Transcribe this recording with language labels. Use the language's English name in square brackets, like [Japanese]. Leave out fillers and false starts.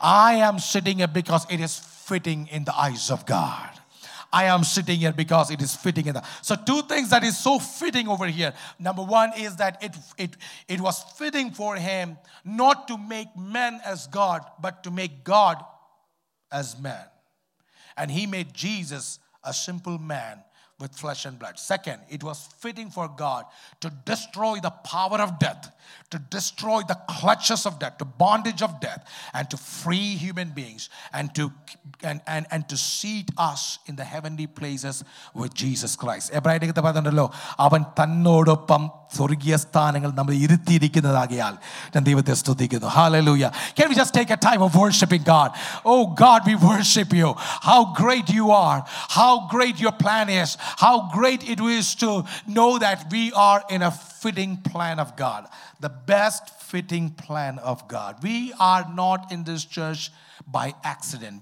[English] I am sitting here because it is fitting in the eyes of God. I am sitting here because it is fitting in the so two things that is so fitting over here. Number one is that it was fitting for him not to make men as God but to make God as men. And he made Jesus a simple man with flesh and blood. Second, it was fitting for God to destroy the power of death, to destroy the clutches of death, the bondage of death, and to free human beings and to seat us in the heavenly places with Jesus Christ. [Malayalam] എബ്രായരുടെ 10:12 അവൻ തന്നോടൊപ്പം സ്വർഗീയ സ്ഥാനങ്ങൾ നമ്മൾ ഇരുത്തിയിരിക്കുന്നതാകയാൽ ഞാൻ ദൈവത്തെ സ്തുതിക്കുന്നു. [English] Hallelujah. Can we just take a time of worshiping God? Oh God, we worship you. How great you are. How great your plan is. How great it is to know that we are in a fitting plan of God. The best fitting plan of God. We are not in this church by accident.